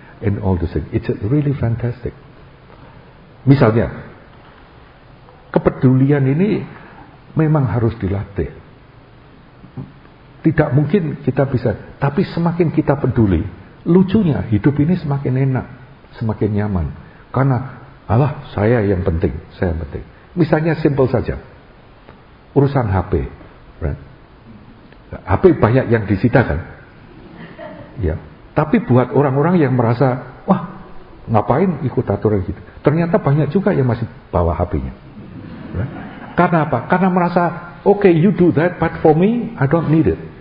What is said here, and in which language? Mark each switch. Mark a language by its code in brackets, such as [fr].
[en] In all the same, it's really fantastic. [id] Misalnya kepedulian ini memang harus dilatih. Tidak mungkin kita bisa, tapi semakin kita peduli, lucunya hidup ini semakin enak, semakin nyaman. Karena alah, saya yang penting, saya yang penting. Misalnya simple saja, urusan HP, [en] right? [id] HP banyak yang disita kan, ya. Tapi buat orang-orang yang merasa, wah, ngapain ikut aturan gitu, ternyata banyak juga yang masih bawa HP-nya, [en] right? [id] Karena apa? Karena merasa, [en] okay, you do that, but for me, I don't need it.